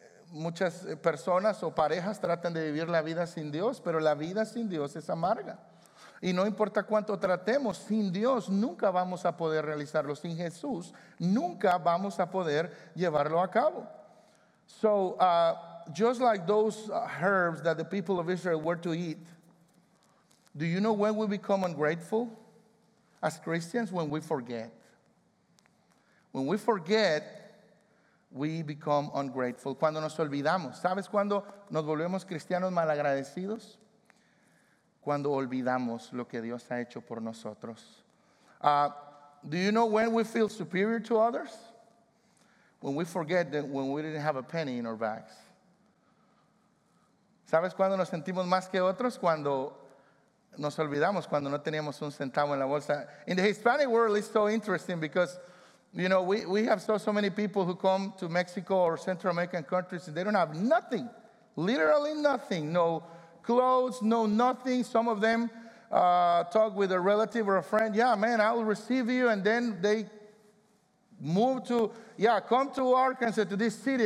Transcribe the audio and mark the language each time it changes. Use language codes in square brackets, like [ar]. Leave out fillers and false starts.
[es] Muchas personas o parejas tratan de vivir la vida sin Dios, pero la vida sin Dios es amarga. Y no importa cuánto tratemos, sin Dios nunca vamos a poder realizarlo. Sin Jesús nunca vamos a poder llevarlo a cabo. [en] So, just like those herbs that the people of Israel were to eat, do you know when we become ungrateful as Christians? When we forget. When we forget, we become ungrateful. [es] Cuando nos olvidamos. ¿Sabes cuándo nos volvemos cristianos malagradecidos? Cuando olvidamos lo que Dios ha hecho por nosotros. [en] Do you know when we feel superior to others? When we forget that when we didn't have a penny in our bags. [es] ¿Sabes cuándo nos sentimos más que otros? Cuando nos olvidamos, cuando no teníamos un centavo en la bolsa. [en] In the Hispanic world, it's so interesting because, you know, we have so many people who come to Mexico or Central American countries and they don't have nothing, literally nothing, no clothes, no nothing. Some of them talk with a relative or a friend. Yeah, man, I will receive you. And then they move to, come to Arkansas, to this city.